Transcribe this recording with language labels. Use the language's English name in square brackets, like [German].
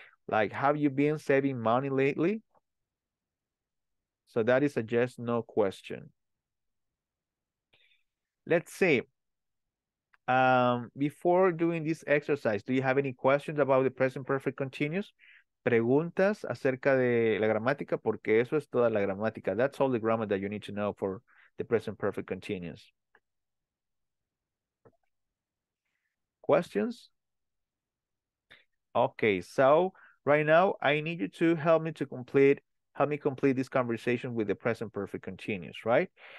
[English] Like, have you been saving money lately? So that is a yes, no question. Let's see. Before doing this exercise, do you have any questions about the present perfect continuous? [Spanish] Preguntas acerca de la gramática, porque eso es toda la gramática. [English] That's all the grammar that you need to know for the present perfect continuous. Questions? Okay, so right now I need you to help me complete this conversation with the present perfect continuous, right?